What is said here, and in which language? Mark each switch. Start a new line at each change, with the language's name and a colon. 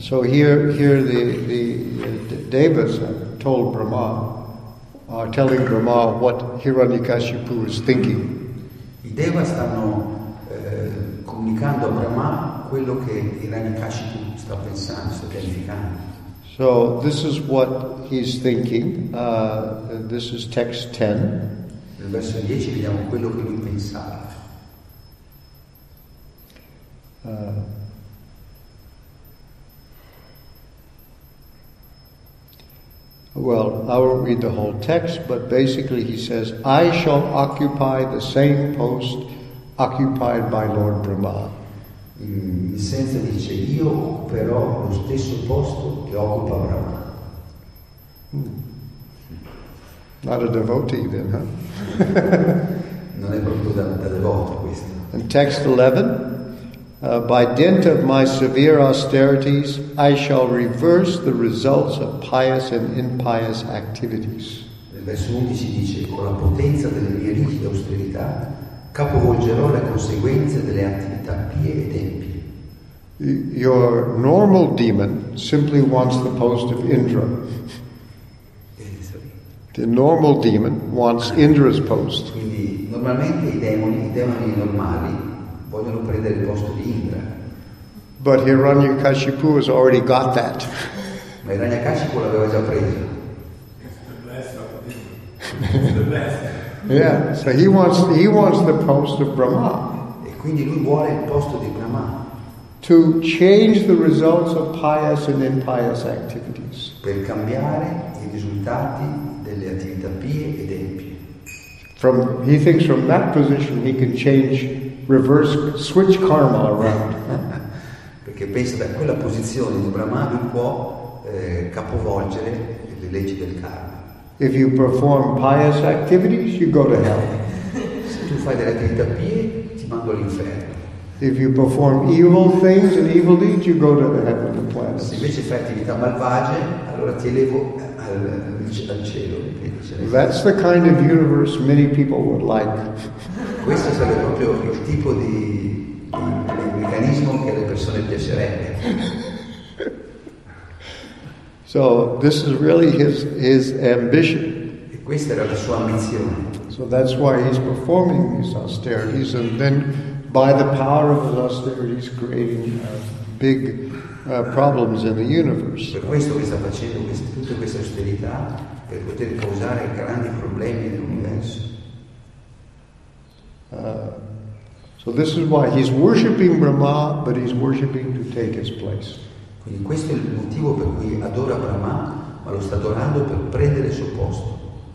English: So here the devas are telling Brahma what Hiranyakashipu is thinking.
Italian: I devas stanno comunicando a Brahma quello che Hiranyakashipu sta pensando, sta pianificando.
English: So this is what he's thinking. This is text 10.
Italian: Nel verso 10 vediamo quello che lui pensava.
English: Well, I won't read the whole text, but basically he says, I shall occupy the same post occupied by Lord Brahma.
Italian: In senso dice, io occuperò lo stesso posto che occupa Brahma.
English: Not a devotee then, huh?
Italian: Non è proprio da devoto questo.
English: In text 11, by dint of my severe austerities, I shall reverse the results of pious and impious activities.
Italian: Nel verso 11 dice, con la potenza delle mie rigide austerità, capovolgerò le conseguenze delle attività pie ed empie.
English: Your normal demon simply wants the post of Indra. The normal demon wants Indra's post.
Italian: Quindi normalmente i demoni normali vogliono prendere il posto di Indra.
English: But Hiranyakashipu has already got that.
Italian: Ma Hiranyakashipu l'aveva già preso.
English: The best of the best. Yeah, so he wants the post of Brahma.
Italian: E quindi lui vuole il posto di Brahma.
English: To change the results of pious and impious activities.
Italian: Per cambiare i risultati delle attività pie e impie.
English: He thinks from that position he can change, switch karma around.
Italian: Perché pensa da quella posizione di Brahma lui può capovolgere le leggi del karma.
English: If you perform pious activities, you go to hell.
Italian: Se tu fai delle attività pie, ti mando all'inferno.
English: If you perform evil things and evil deeds, you go to the heavenly planets.
Italian: Se invece fai attività malvagie, allora ti elevo al cielo.
English: That's the kind of universe many people would like.
Italian: Questo sarebbe proprio il tipo di meccanismo che le persone piacerebbe.
English: So this is really his ambition.
Italian: E questa era la sua ambizione.
English: So that's why he's performing these austerities, and then by the power of his austerities creating big problems in the universe.
Italian: Per questo che sta facendo tutta questa austerità, per poter causare grandi problemi nell'universo.
English: So this is why he's worshipping Brahma, but he's worshipping to take his place.
Italian: Quindi questo è il motivo per cui adora Brahma, ma lo sta adorando per prendere il suo posto.